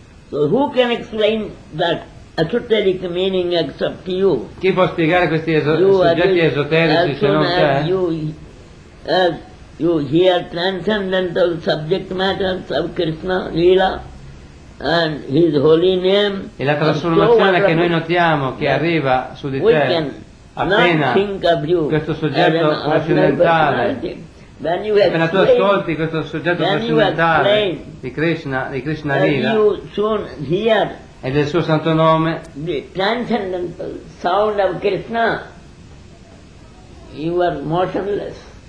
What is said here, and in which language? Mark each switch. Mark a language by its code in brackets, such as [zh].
[en] So who can explain that esoteric meaning except you? [it] Chi può spiegare questi soggetti esoterici se non te? [en] You hear transcendental subject matters of Krishna Lila. And his holy name, [it] e la trasformazione che noi notiamo che arriva su di te appena questo soggetto trascendentale, appena tu ascolti questo soggetto trascendentale di Krishna Lila e del suo santo nome, [en] the transcendental sound of Krishna, you are motionless.